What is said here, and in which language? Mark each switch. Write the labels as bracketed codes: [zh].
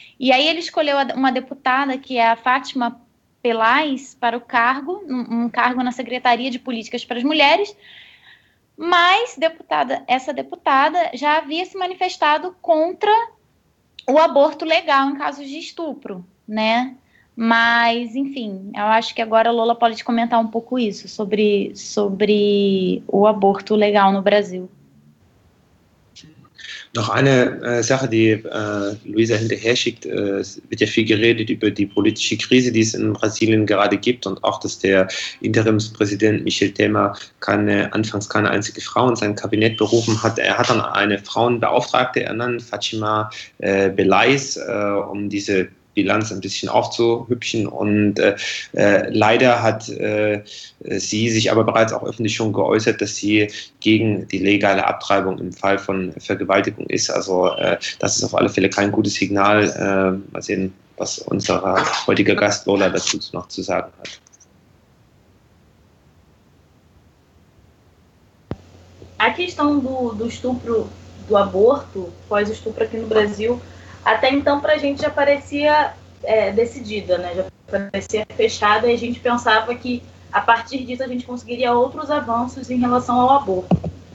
[pt] E aí ele escolheu uma deputada, que é a Fátima Peláez, para o cargo, um cargo na Secretaria de Políticas para as Mulheres, mas essa deputada já havia se manifestado contra o aborto legal em casos de estupro, né? Mas, enfim, eu acho que agora a Lola pode comentar um pouco isso, sobre o aborto legal no Brasil. [de] Noch eine Sache, die Luisa hinterher schickt, es wird ja viel geredet über die politische Krise, die es in Brasilien gerade gibt und auch, dass der Interimspräsident Michel Temer anfangs keine einzige Frau in sein Kabinett berufen hat. Er hat dann eine Frauenbeauftragte ernannt, Fátima Peláez, um diese Bilanz ein bisschen aufzuhübschen und leider hat sie sich aber bereits auch öffentlich schon geäußert, dass sie gegen die legale Abtreibung im Fall von Vergewaltigung ist. Also das ist auf alle Fälle kein gutes Signal. Mal sehen, was unser heutiger Gast Lola dazu noch zu sagen hat. [pt] A questão do estupro, do aborto, pós-estupro aqui no Brasil, até então, para a gente já parecia decidida, né? Já parecia fechada e a gente pensava que, a partir disso, a gente conseguiria outros avanços em relação ao aborto.